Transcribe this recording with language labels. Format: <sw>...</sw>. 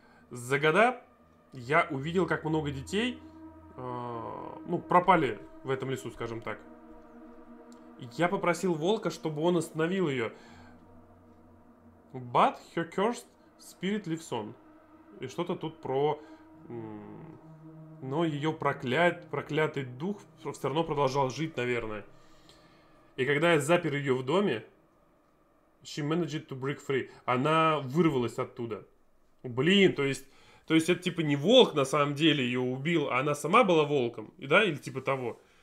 <ru>За года я увидел, как много детей, ну, пропали в этом лесу, скажем так. Я попросил волка, чтобы он остановил ее.</ru> <en>But her cursed spirit lives on.</en> <ru>И что-то тут про... Но ее проклятый дух все равно продолжал жить, наверное. И когда я запер ее в доме, she managed to break free. Она вырвалась оттуда. Блин, то есть это типа не волк на самом деле ее убил, а она сама была волком, да, или типа того.</ru>